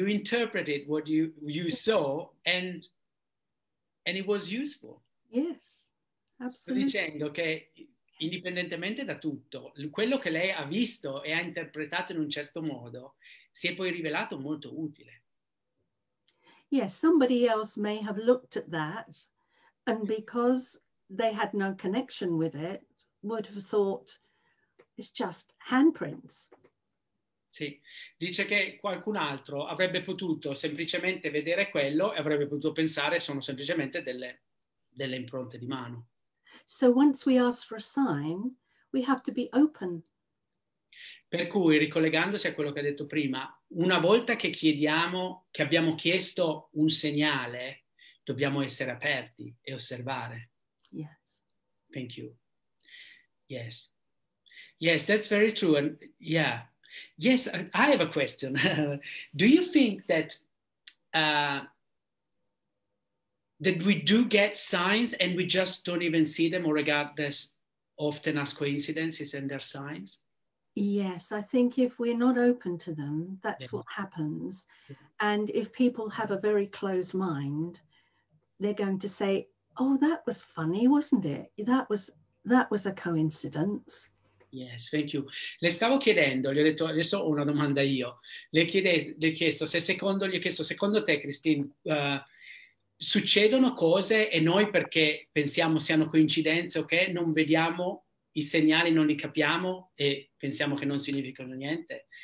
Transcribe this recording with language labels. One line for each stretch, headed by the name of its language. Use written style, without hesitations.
English: You interpreted what you saw and it was useful. Yes, absolutely.
Italian: Sto dicendo che indipendentemente da tutto, quello che lei ha visto e ha interpretato in un certo modo si è poi rivelato molto utile.
English: Yes, somebody else may have looked at that and because they had no connection with it would have thought it's just handprints.
Italian: Sì, dice che qualcun altro avrebbe potuto semplicemente vedere quello e avrebbe potuto pensare sono semplicemente delle impronte di mano.
English: So once we ask for a sign, we have to be open.
Italian: Per cui, ricollegandosi a quello che ha detto prima, una volta che chiediamo, che abbiamo chiesto un segnale, dobbiamo essere aperti e osservare.
English: Yes. Thank you. Yes. Yes, that's very true. And yeah. Yes, I have a question. Do you think that that we do get signs and we just don't even see them or regard them often as coincidences and their signs? Yes, I think if we're not open to them, that's yeah. What happens. And if people have a very closed mind, they're going to say, oh, that was funny, wasn't it? That was a coincidence. Yes, thank you.
Italian: Le stavo chiedendo, gli ho detto, adesso ho una domanda io. Le ho chiesto, secondo te, Christine, succedono cose e noi perché pensiamo siano coincidenze o che non vediamo i segnali, non li capiamo e pensiamo che non significano niente?